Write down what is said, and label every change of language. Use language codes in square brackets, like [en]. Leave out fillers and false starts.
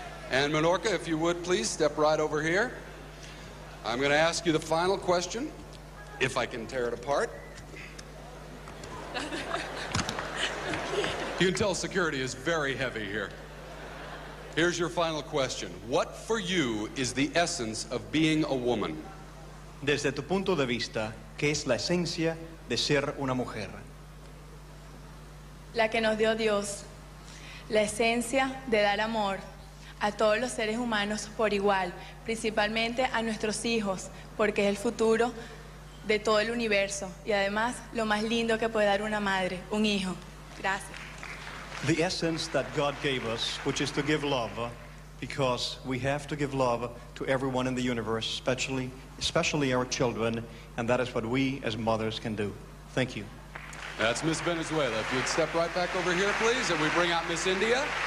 [en] And Minorka, if you would please step right over here. I'm going to ask you the final question, if I can tear it apart. You can tell security is very heavy here. Here's your final question. What for you is the essence of being a woman? [es] Desde tu punto de vista, ¿qué es la esencia de ser una mujer? La que nos dio Dios, la esencia de dar amor a todos los seres humanos por igual, principalmente a nuestros hijos, porque es el futuro de todo el universo y además lo más lindo que puede dar una madre, un hijo. Gracias. [en] The essence that God gave us, which is to give love, because we have to give love to everyone in the universe, especially our children, and that is what we as mothers can do. Thank you. That's Miss Venezuela. If you'd step right back over here, please, and we bring out Miss India.